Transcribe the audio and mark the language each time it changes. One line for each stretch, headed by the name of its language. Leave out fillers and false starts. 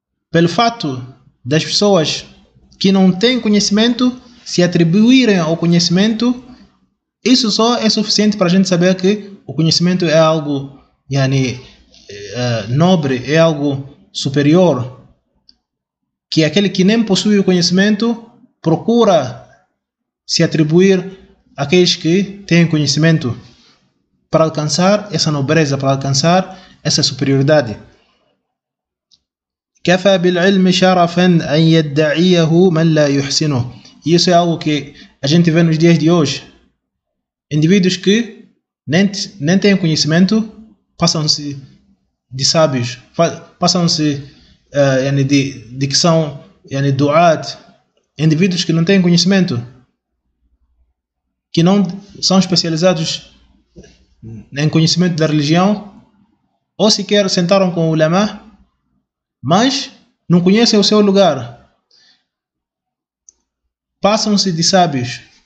Portuguese: Pelo fato das pessoas que não têm conhecimento se atribuírem ao conhecimento, isso só é suficiente para a gente saber que o conhecimento é algo yani, nobre, é algo superior. Que aquele que nem possui o conhecimento procura se atribuir àqueles que têm conhecimento para alcançar essa nobreza, para alcançar essa superioridade.
Arabic: كفى بالعلم شرفا أن يدعيه من لا يحسنه.
Portuguese: Isso é algo que a gente vê nos dias de hoje. Indivíduos que nem têm conhecimento passam-se de sábios, passam-se de que são duat. Indivíduos que não têm conhecimento, que não são especializados em conhecimento da religião, ou sequer sentaram com o ulama, mas não conhecem o seu lugar, passam-se de sábios.